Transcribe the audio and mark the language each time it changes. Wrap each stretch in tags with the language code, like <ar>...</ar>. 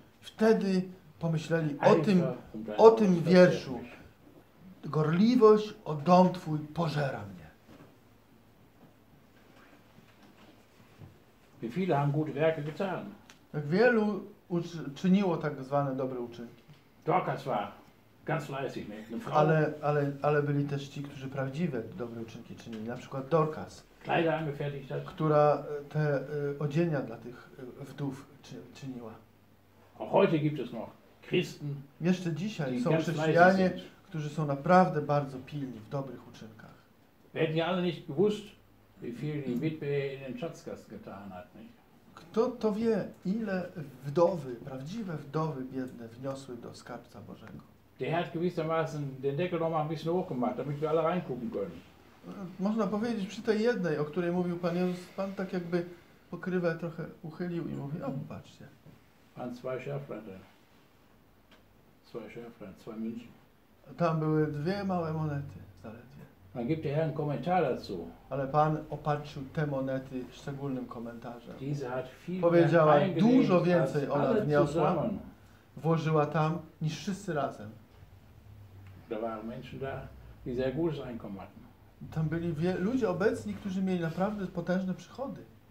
<pl>Wtedy pomyśleli o tym wierszu. Gorliwość o dom Twój pożera mnie.</pl> <de>Wie viele haben gute Werke getan.</de> <pl>Jak wielu czyniło tak zwane dobre uczynki.</pl> <de>Dorcas war ganz fleißig, ne?</de> <pl>Ale byli też ci, którzy prawdziwe dobre uczynki czynili. Na przykład Dorcas, która te odzienia dla tych wdów czyniła.</pl> <de>Auch heute gibt es noch Christen.</de> <pl>Jeszcze dzisiaj są chrześcijanie, którzy są naprawdę bardzo pilni w dobrych uczynkach.</pl> <de>Hätten ja alle nicht gewusst, wie viel die Witwe in den Schatzkasten getan hat, ne?</de> <pl>Kto to wie, ile wdowy, prawdziwe wdowy biedne wniosły do skarbca Bożego?</pl> <de>Der Herr hat gewissermaßen den Deckel noch mal ein bisschen hochgemacht, damit wir alle reingucken können.</de> <pl>Można powiedzieć przy tej jednej, o której mówił Pan Jezus, Pan tak jakby pokrywę trochę uchylił i mówi, o, patrzcie.</pl> <de>Pan zwei Schäflein, zwei Münzen.</de> <pl>Tam były dwie małe monety zaledwie.</pl> <de>Man gibt hier einen Kommentar dazu.</de> <pl>Ale Pan opatrzył te monety szczególnym komentarzem.</pl> <de>Diese hat viel</de> <pl>powiedziała, dużo więcej ona wniosła, włożyła tam, niż wszyscy razem.</pl> <de>Da waren Menschen da, die sehr gutes Einkommen hatten.</de> <pl>Tam byli ludzie obecni, którzy mieli naprawdę potężne przychody.</pl>